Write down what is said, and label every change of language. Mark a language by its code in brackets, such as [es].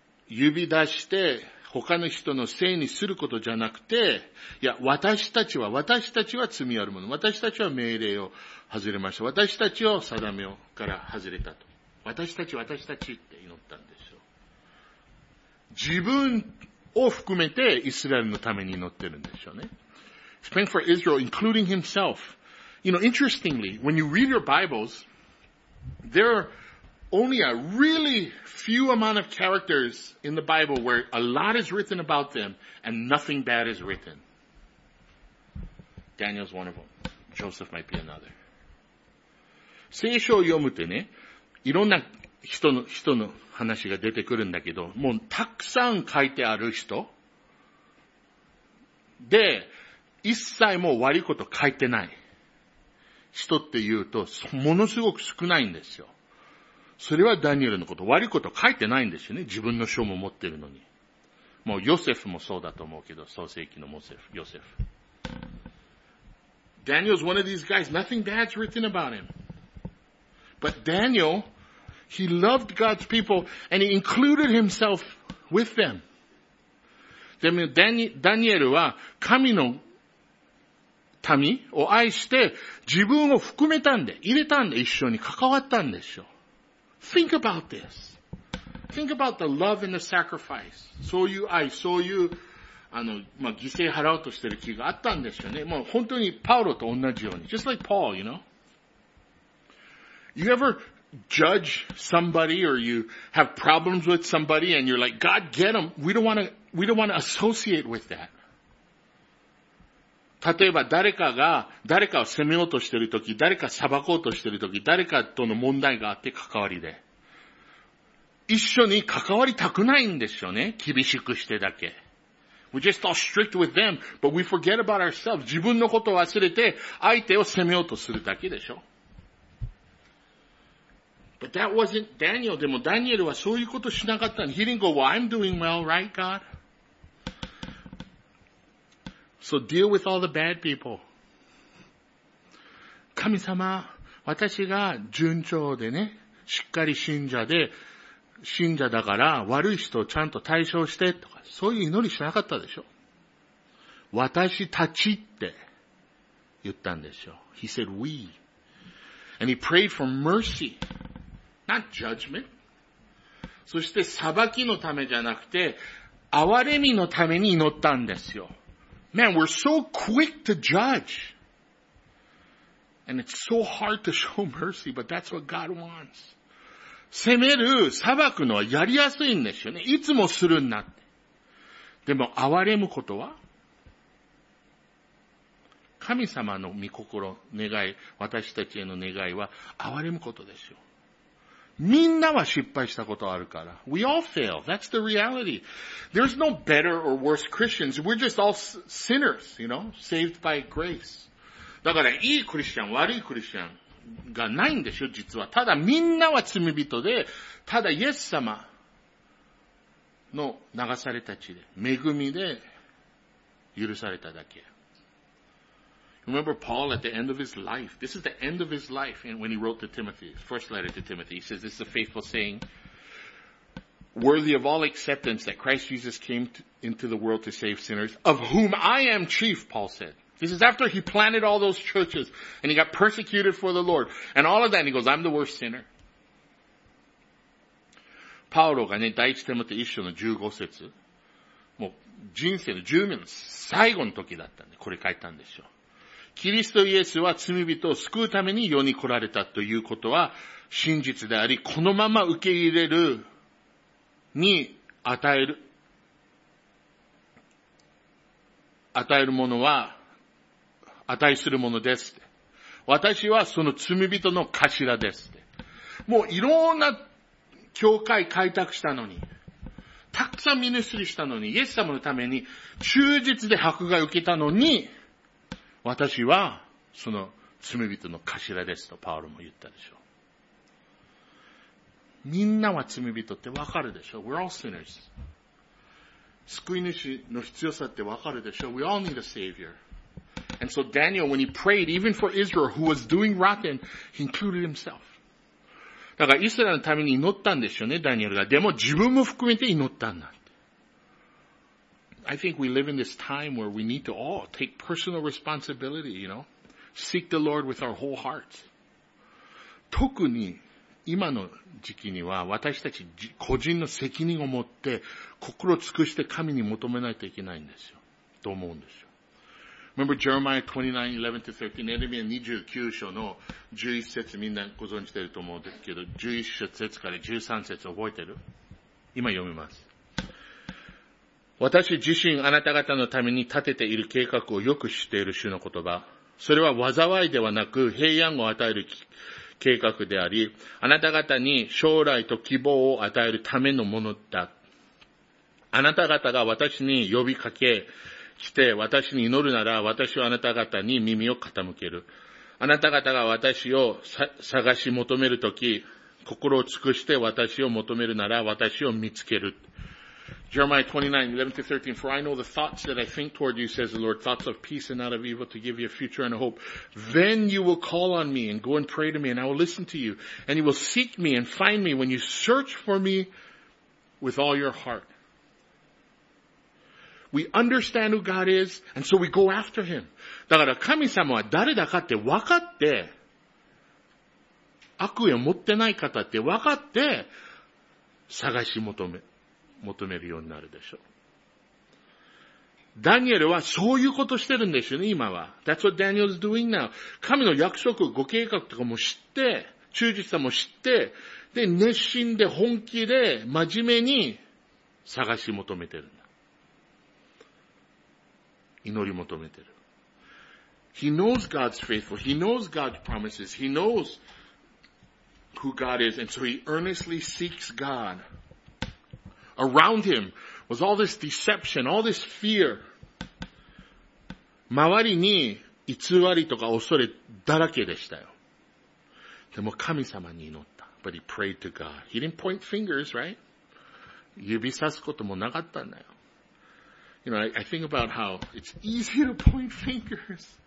[ja] 指出して他の人のせいにすることじゃなくて、いや、私たちは罪あるもの。私たちは命令を外れました。私たちは定めから外れたと。私たちって祈ったんでしょう。自分を含めてイスラエルのために祈ってるんでしょうね。 [en] Spend for Israel, including himself. You know, interestingly, when you read your Bibles, there are only a really few amount of characters in the Bible where a lot is written about them and nothing bad is written. Daniel's one of them. Joseph might be another. [ja] 聖書を読むとね、いろんな人の話が出てくるんだけど、もうたくさん書いてある人で、一切もう悪いこと書いてない人っていうと、ものすごく少ないんですよ。それはダニエルのこと、悪いこと書いてないんですよね。自分の書も持ってるのに。もうヨセフもそうだと思うけど、創世記のモセフ、ヨセフ。 [en] Daniel's one of these guys. Nothing bad's written about him. But Daniel, he loved God's people and he included himself with them. [ja] でもダニエルは神の民を愛して自分を含めたんで、入れたんで、一緒に関わったんでしょ。 [en] Think about this. Think about the love and the sacrifice. [ja] そういう愛、そういうまあ、犠牲払おうとしてる気があったんですよね。もう本当にパウロと同じように。 [en] Just like Paul, you know? You ever judge somebody or you have problems with somebody and you're like, God, get them. We don't want to associate with that. [ja] 例えば誰かを責めようとしてるとき、誰か裁こうとしてるとき、誰かとの問題があって関わりで。一緒に関わりたくないんですよね。厳しくしてだけ。 [en] We're just all strict with them, but we forget about ourselves. [ja] 自分のことを忘れて相手を責めようとするだけでしょ。 [en] But that wasn't Daniel. [ja] でもダニエルはそういうことしなかったの。 [en] He didn't go, well, I'm doing well, right, God? So deal with all the bad people. [ja] 神様、私が順調でね、しっかり信者だから悪い人をちゃんと対処してとか、そういう祈りしなかったでしょ。私たちって言ったんですよ。 [en] He said we. And he prayed for mercy, not judgment. [ja] そして裁きのためじゃなくて、憐れみのために祈ったんですよ。 [en] Man, we're so quick to judge. And it's so hard to show mercy, but that's what God wants. [ja] 責める、裁くのはやりやすいんですよね。いつもするんだって。でも、憐れむことは神様の御心、願い、私たちへの願いは、憐れむことですよ。みんなは失敗したことあるから。 [en] We all fail. That's the reality. There's no better or worse Christians. We're just all sinners, you know? Saved by grace. [ja] だから、いいクリスチャン、悪いクリスチャン。がないんでしょ、実は。ただみんなは罪人で、ただイエス様の流された血で、恵みで許されただけ。 [en] Remember Paul at the end of his life. This is the end of his life when he wrote to Timothy, first letter to Timothy. He says, this is a faithful saying, worthy of all acceptance that Christ Jesus came into the world to save sinners, of whom I am chief, Paul said. This is after he planted all those churches and he got persecuted for the Lord. And all of that, and he goes, I'm the worst sinner. [ja] パウロがね、第一テモテ一章の十五節、もう人生の十年の最後の時だったんで、これ書いたんでしょう。キリストイエスは罪人を救うために世に来られたということは真実であり、このまま受け入れるに与えるものは値するものですって。私はその罪人の頭ですって。もういろんな教会開拓したのに、たくさんミニストリーしたのに、イエス様のために忠実で迫害を受けたのに、私はその罪人の頭ですとパウロも言ったでしょう。みんなは罪人ってわかるでしょ。 [en] We're all sinners. [ja] 救い主の必要さってわかるでしょ。 [en] We all need a savior. And so Daniel, when he prayed, even for Israel, who was doing rotten, he included himself. [ja] だからイスラエルのために祈ったんでしょうね、ダニエルが。でも自分も含めて祈ったんだって。 [en] I think we live in this time where we need to all take personal responsibility, you know? Seek the Lord with our whole hearts. [ja] 特に今の時期には私たち個人の責任を持って心を尽くして神に求めないといけないんですよ。と思うんですよ。 [en] Remember Jeremiah 29:11-13, [ja] エレミア29章の11節みんなご存知てると思うんですけど、11節から13節覚えてる？今読みます。私自身あなた方のために立てている計画をよく知っている主の言葉。それは災いではなく平安を与える計画であり、あなた方に将来と希望を与えるためのものだ。あなた方が私に呼びかけして私に祈るなら、私はあなた方に耳を傾ける。あなた方が私を探し求めるとき、心を尽くして私を求めるなら、私を見つける。 [en] Jeremiah 29:11-13, For I know the thoughts that I think toward you, says the Lord, thoughts of peace and not of evil, to give you a future and a hope. Then you will call on me and go and pray to me, and I will listen to you, and you will seek me and find me when you search for me with all your heart. We understand who God is, and so we go after him. [ja] だから神様は誰だかって分かって、悪意を持ってない方って分かって、探し求めるようになるでしょう。ダニエルはそういうことしてるんですよね、今は。 [en] That's what Daniel's doing now. [ja] 神の約束、ご計画とかも知って、忠実さも知って、で、熱心で本気で真面目に探し求めてる。祈り求めてる。 [en] He knows God's faithful. He knows God's promises. He knows who God is. And so he earnestly seeks God. Around him was all this deception, all this fear. [ja] 周りに偽りとか恐れだらけでしたよ。でも神様に祈った。 [en] But he prayed to God. He didn't point fingers, right? [ja] 指さすこともなかったんだよ。 [en] You know, I think about how it's easy to point fingers.